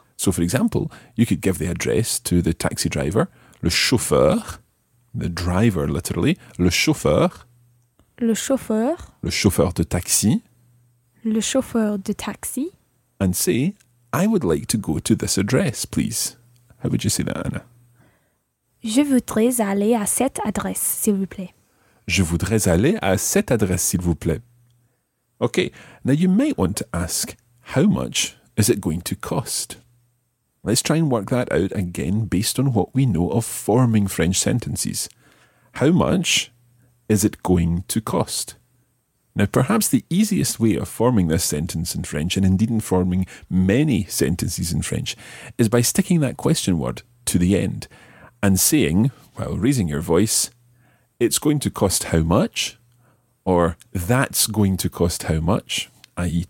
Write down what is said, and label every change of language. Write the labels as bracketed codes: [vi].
[en] So, for example, you could give the address to the taxi driver, le chauffeur, the driver, literally, le chauffeur. [fr] Le chauffeur. Le chauffeur de taxi. Le chauffeur de taxi. [en] And say, I would like to go to this address, please. How would you say that, Anna? [fr] Je voudrais aller à cette adresse, s'il vous plaît. Je voudrais aller à cette adresse, s'il vous plaît. [en] Okay, now you might want to ask, how much is it going to cost? Let's try and work that out again based on what we know of forming French sentences. How much is it going to cost? Now, perhaps the easiest way of forming this sentence in French, and indeed in forming many sentences in French, is by sticking that question word to the end and saying, while raising your voice, it's going to cost how much, or that's going to cost how much, i.e.